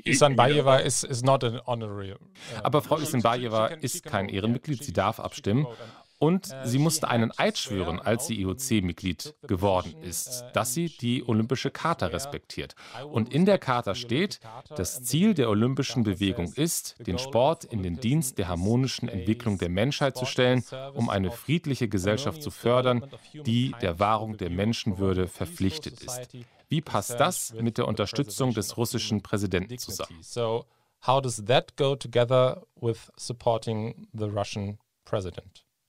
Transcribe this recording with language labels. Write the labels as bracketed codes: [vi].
[en] Isinbajewa is not an honorary. [de] Aber Frau Isinbajewa ist kein Ehrenmitglied, sie darf abstimmen. Und sie musste einen Eid schwören, als sie IOC-Mitglied geworden ist, dass sie die Olympische Charta respektiert. Und in der Charta steht, das Ziel der Olympischen Bewegung ist, den Sport in den Dienst der harmonischen Entwicklung der Menschheit zu stellen, um eine friedliche Gesellschaft zu fördern, die der Wahrung der Menschenwürde verpflichtet ist. Wie passt das mit der Unterstützung des russischen Präsidenten zusammen? [en] So, how does that go together with supporting the Russian president?